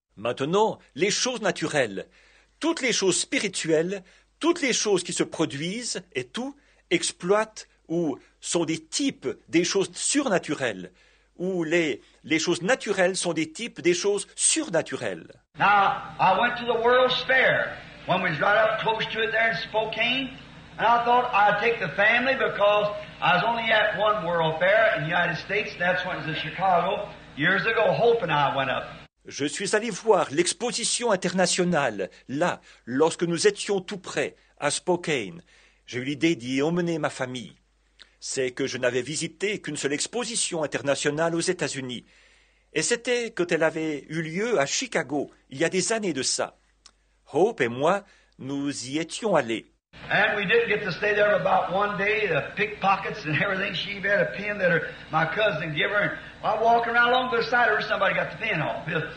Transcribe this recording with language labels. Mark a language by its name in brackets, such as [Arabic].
[French] Maintenant, les choses naturelles, toutes les choses spirituelles, toutes les choses qui se produisent et tout, exploitent ou sont des types des choses surnaturelles, ou les choses naturelles sont des types des choses surnaturelles. [English] Now, I went to the World's Fair, when we was right up close to it there in Spokane, and I thought I'd take the family because I was only at one World Fair in the United States, that's when it was in Chicago, years ago, Hope and I went up. [French] Je suis allé voir l'exposition internationale, là, lorsque nous étions tout près, à Spokane. J'ai eu l'idée d'y emmener ma famille. C'est que je n'avais visité qu'une seule exposition internationale aux États-Unis. Et c'était quand elle avait eu lieu à Chicago, il y a des années de ça. Hope et moi, nous y étions allés. [English] And we didn't get to stay there about one day, the pickpockets and everything. She had a pin that my cousin gave her. And I'm walking around along beside her, somebody got the pin off.